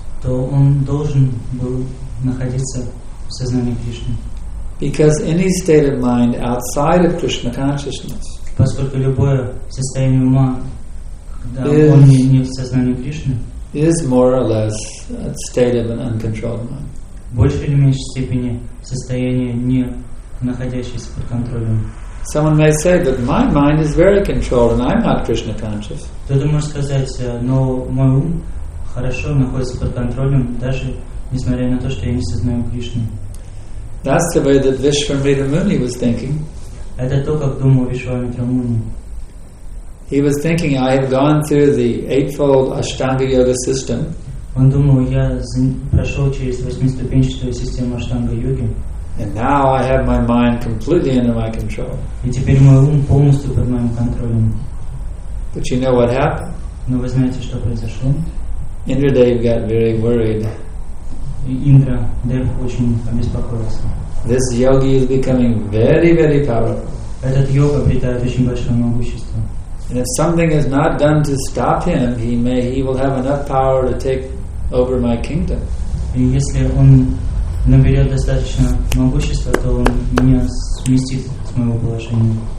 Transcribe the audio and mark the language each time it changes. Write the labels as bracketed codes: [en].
[en] Because any state of mind outside of Krishna consciousness is more or less a state of an uncontrolled mind. [ru] Больше или меньшей степени состояние не находящееся под контролем. [en] Someone may say, but my mind is very controlled, and I'm not Krishna conscious. [ru] Кто-то может сказать, но мой ум хорошо находится под контролем, даже несмотря на то, что я не сознаю Кришну. [en] That's the way that Vishwamitra Muni was thinking. [ru] Это то, как думал Вишвамитра Муни. [en] He was thinking, I have gone through the eightfold Ashtanga Yoga system. [ru] Он думал, я прошел через восьмиступенчатую систему Аштанга Йоги. [en] And now I have my mind completely under my control. [ru] И теперь мой ум полностью под моим контролем. [en] But you know what happened? [ru] Но вы знаете, что произошло? [en] Indradev got very worried. [ru] Индра очень обеспокоился. [en] This yogi is becoming very, very powerful. [ru] Этот йога обретает очень большое могущество. [en] And if something is not done to stop him, he will have enough power to take over my kingdom. [ru] И если он наберет достаточно могущества, то он меня сместит с моего положения.